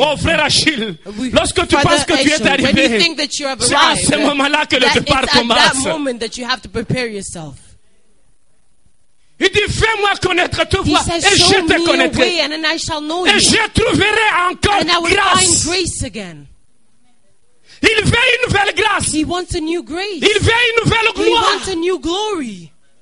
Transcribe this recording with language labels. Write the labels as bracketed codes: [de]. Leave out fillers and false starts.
[fr] Oh, frère Achille, lorsque tu penses que tu es arrivé, [en] when you think that you have arrived, [fr] c'est à ce moment-là que le départ commence. [en] It's at that moment that you have to prepare yourself. [fr] Il dit, fais-moi connaître ta voie, et je te connaîtrai. [en] And then I shall know [fr] et [en] you. [fr] Je trouverai encore [en] and [fr] grâce. [en] I will find grace again. [fr] Il veut une nouvelle grâce. [en] He wants a new grace. [fr] Il veut une nouvelle gloire. [en] He wants a new glory.